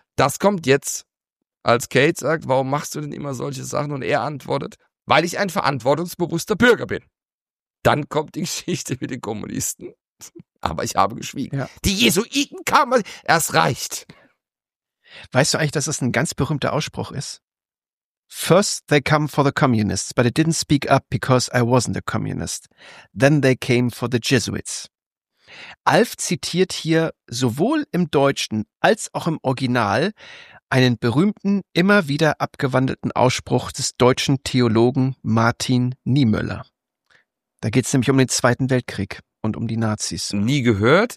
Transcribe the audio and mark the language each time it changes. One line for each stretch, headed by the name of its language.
German: Das kommt jetzt, als Kate sagt, warum machst du denn immer solche Sachen? Und er antwortet, weil ich ein verantwortungsbewusster Bürger bin. Dann kommt die Geschichte mit den Kommunisten. Aber ich habe geschwiegen. Ja. Die Jesuiten kamen, es reicht. Weißt du eigentlich, dass das ein ganz berühmter Ausspruch ist?
English: First they come for the communists, but I didn't speak up because I wasn't a communist. Then they came for the Jesuits.
German: Alf zitiert hier sowohl im Deutschen als auch im Original einen berühmten, immer wieder abgewandelten Ausspruch des deutschen Theologen Martin Niemöller. Da geht es nämlich um den Zweiten Weltkrieg und um die Nazis. Nie gehört.